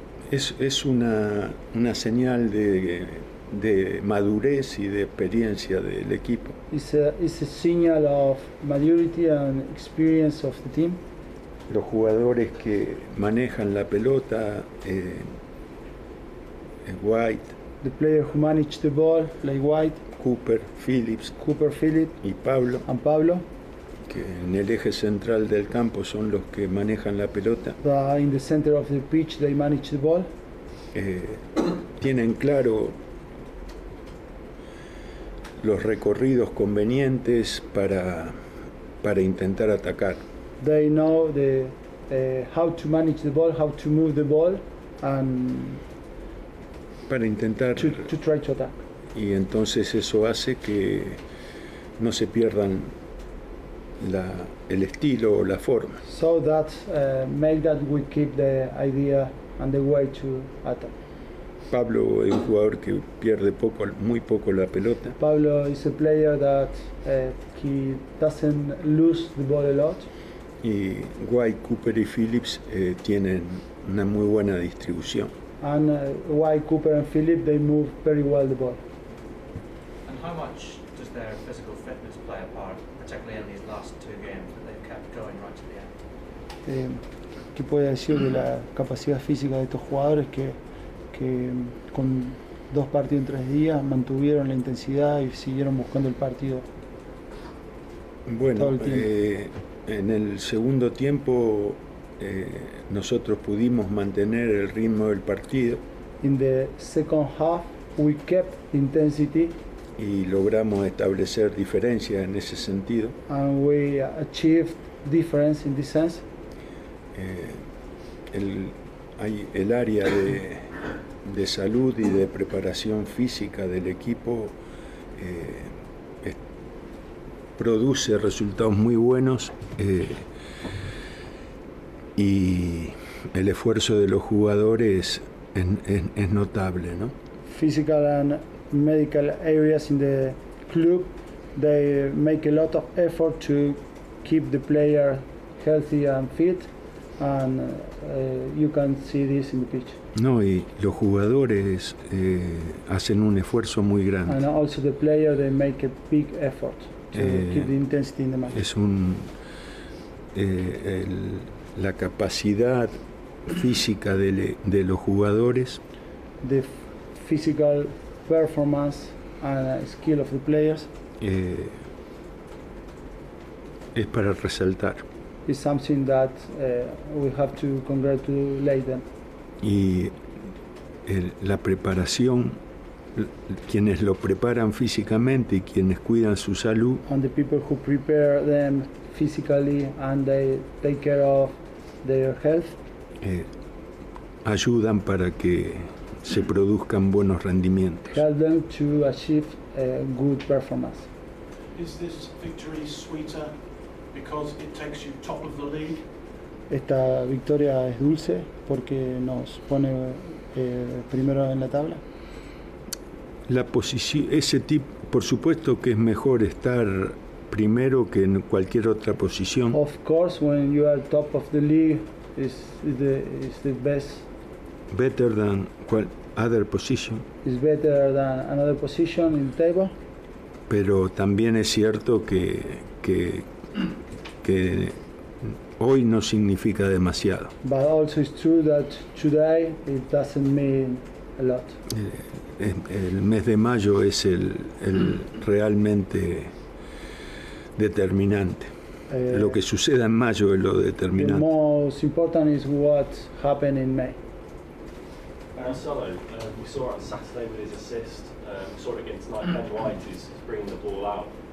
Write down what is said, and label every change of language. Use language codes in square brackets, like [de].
[es] Es una señal de madurez y de experiencia del equipo. [en] It's a signal of maturity and experience of the team. [es] Los jugadores que manejan la pelota, White, [en] the player who managed the ball, play wide. [es] Cooper Phillips y Pablo. [en] And Pablo. [es] Que en el eje central del campo son los que manejan la pelota. [en] In the center of the pitch, they manage the ball. [es] Tienen claro los recorridos convenientes para intentar atacar. [en] They know the how to manage the ball, how to move the ball, and [es] para intentar [en] to try to attack. [es] Y entonces eso hace que no se pierdan el estilo o la forma. [en] So that make that we keep the idea and the way to attack. [es] Pablo es un jugador que pierde muy poco la pelota. [en] Pablo is a player that he doesn't lose the ball a lot. [es] Y White, Cooper y Phillips tienen una muy buena distribución. [en] And White, Cooper and Phillips, they move very well the ball. And how much does their physical fitness play a part, particularly in these last two games that they've kept going right to the end? [es] ¿Qué puede decir de la capacidad física de estos jugadores que con dos partidos en tres días mantuvieron la intensidad y siguieron buscando el partido? Bueno, todo el tiempo. En el segundo tiempo nosotros pudimos mantener el ritmo del partido. [en] In the second half we kept intensity. [es] Y logramos establecer diferencia en ese sentido. [en] And we achieved difference in this sense. [es] El área de salud y de preparación física del equipo produce resultados muy buenos y el esfuerzo de los jugadores es notable, ¿no? [en] Physical and medical areas in the club, they make a lot of effort to keep the player healthy and fit. And you can see this in the pitch. [es] No, y los jugadores hacen un esfuerzo muy grande. [en] And also the player, they make a big effort to keep the intensity in the match. [es] Es un la capacidad física de los jugadores. [en] The physical performance and skill of the players. [es] Es para resaltar. [en] Is something that we have to congratulate them. [es] Y la preparación, quienes lo preparan físicamente y quienes cuidan su salud. [en] And the people who prepare them physically and they take care of their health. [es] Ayudan para que se produzcan buenos rendimientos. [en] Help them to achieve a good performance. Is this victory sweeter? Because it takes you top of the league. [es] Esta victoria es dulce porque nos pone primero en la tabla. La posición, ese tipo, por supuesto que es mejor estar primero que en cualquier otra posición. [en] Of course, when you are top of the league, is the best. Better than what other position. Is better than another position in the table. [es] Pero también es cierto que hoy no significa demasiado. [en] But also it's true that today it doesn't mean a lot. [es] El mes de mayo es el realmente determinante. Lo que suceda en mayo es lo determinante. [en] The most important is what happened in May. Marcelo, we saw on Saturday with his assist, we saw it against Mike Ben White, who's bringing the ball out